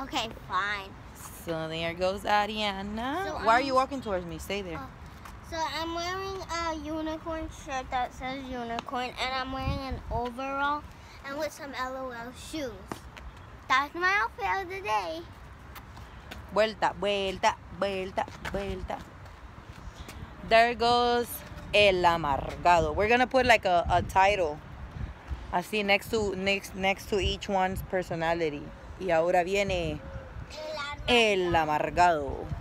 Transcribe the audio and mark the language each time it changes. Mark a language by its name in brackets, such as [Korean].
[English] Okay, fine. So, there goes Ariana. So, why are you walking towards me? Stay there. So I'm wearing a unicorn shirt that says unicorn, and I'm wearing an overall and with some LOL shoes. That's my outfit of the day. [Spanish] Vuelta, vuelta, vuelta, vuelta. [English] There goes El Amargado. We're gonna put like a title. I see next to each one's personality. [Spanish] Y ahora viene El Amargado.